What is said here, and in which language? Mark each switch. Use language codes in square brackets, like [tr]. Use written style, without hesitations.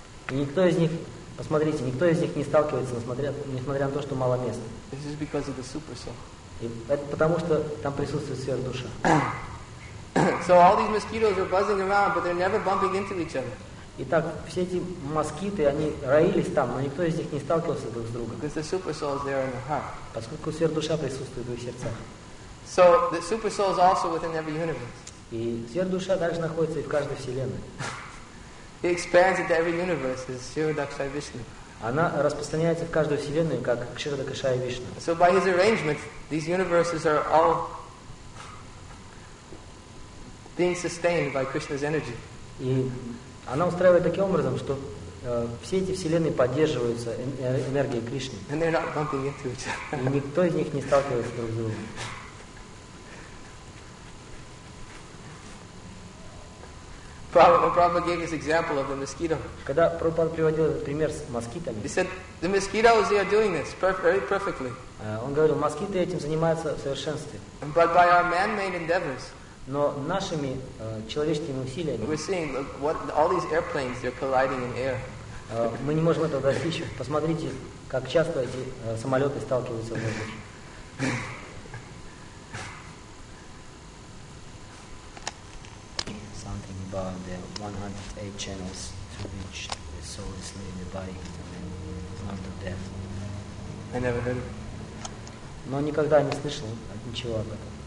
[ru] И никто из них, посмотрите, никто из них не сталкивается, несмотря на то, что мало места. [en] This is because of the super soul. [ru] И это потому, что там присутствует сверхдуша. [en] So all these mosquitoes are buzzing around, but they're never bumping into each other. [ru] Итак, все эти москиты, они роились там, но никто из них не сталкивался друг с другом. [en] Because the super soul is there in the heart. [ru] Поскольку сверхдуша присутствует в их сердцах. [en] So the super soul is also within every universe. [ru] И сверхдуша также находится и в каждой вселенной. [en] It expands into every universe as Shirodakshaya Vishnu. [ru] Она распространяется в каждую вселенную, как Кширодакшая Вишна. [en] So by his arrangement, these universes are all being sustained by Krishna's energy. [ru] И она устраивает таким образом, что все эти вселенные поддерживаются энергией Кришны. [en] And they're not bumping into each other. [ru] И никто из них не сталкивается друг с другом. [en] Prabhupada gave this example of the mosquito. [ru] Когда Прабхупада приводил этот пример с москитами. [en] He said, the mosquitoes, they are doing this very perfectly. [ru] Он говорил, москиты этим занимаются в совершенстве. [en] But by our man-made endeavors. [ru] Но нашими человеческими усилиями. [en] We're seeing what all these airplanes, they're colliding in air. [ru] Мы не можем этого достичь. Посмотрите, как часто эти самолеты сталкиваются в воздухе. [en] About the 108 channels to which the soul is leaving the body after death. I never heard of it. [ru] Но никогда не слышал ничего об этом.